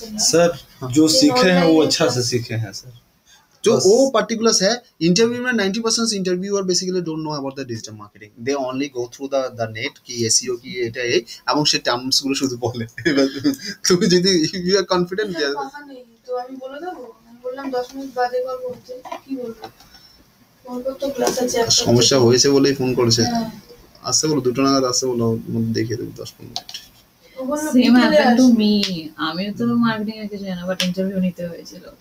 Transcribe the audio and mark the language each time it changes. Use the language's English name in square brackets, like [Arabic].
[Hindi] sir जो सीखे हैं वो अच्छा से सीखे हैं सर जो वो पर्टिकुलर है इंटरव्यू में [English] 90% interviewer basically don't know about the digital marketing they only go through the the net की SEO की [Bangla] এটা এই এবং সে টার্মস গুলো শুধু বলে তুমি যদি ইউ আর কনফিডেন্ট তো আমি বলে দেব আমি বললাম 10 মিনিট বাদে বলবো কি বলবো সমস্যা হয়েছে বলেই ফোন করেছে আসছে বলো দুটো নাগাদ আসছে বলো দেখে দেব 10 মিনিট [Hindi] जहाँ पे हम लोग क्या करते